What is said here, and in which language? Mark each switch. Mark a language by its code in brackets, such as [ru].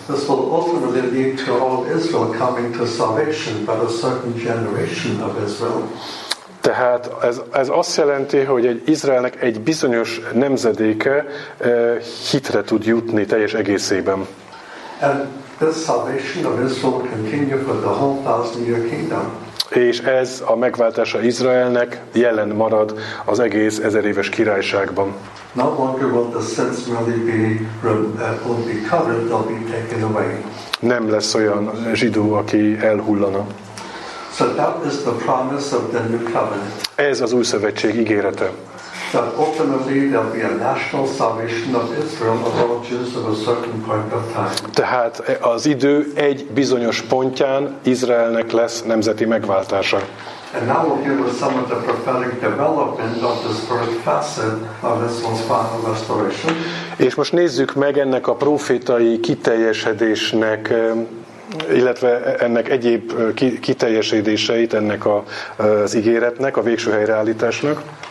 [en] This will ultimately lead to all Israel coming to salvation, but a certain generation of Israel. [hu] Tehát ez azt jelenti, hogy egy Izraelnek egy bizonyos nemzedéke hitre tud jutni teljes egészében. [en] And this salvation of Israel will continue for the whole 1,000-year kingdom. [hu] És ez a megváltása Izraelnek jelen marad az egész 1000 éves királyságban. [en] No longer will the sins really be covered, they'll be taken away. [hu] Nem lesz olyan zsidó, aki elhullana. [en] So that is the promise of the new covenant. [hu] Ez az új szövetség ígérete. [en] that ultimately there'll be a national salvation of Israel of all Jews of a certain point of time. [hu] Tehát az idő egy bizonyos pontján Izraelnek lesz nemzeti megváltása. [en] And now we'll give us some of the prophetic development of this first facet of Israel's final restoration. [hu] És most nézzük meg ennek a prófétai kiteljesedésnek, illetve ennek egyéb kiteljesedéseit, ennek az ígéretnek, a végső helyreállításnak.